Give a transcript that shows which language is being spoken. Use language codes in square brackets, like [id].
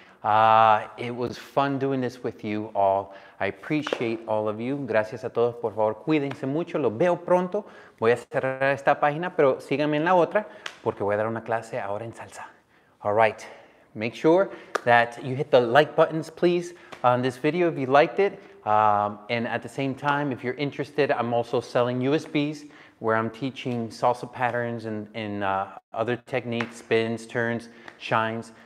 [en] It was fun doing this with you all. I appreciate all of you. [es] Gracias a todos. Por favor, cuídense mucho. Los veo pronto. Voy a cerrar esta página, pero síganme en la otra porque voy a dar una clase ahora en salsa. [en] All right. Make sure that you hit the like buttons, please, on this video if you liked it. And at the same time, if you're interested, I'm also selling USBs where I'm teaching salsa patterns and other techniques, spins, turns, shines.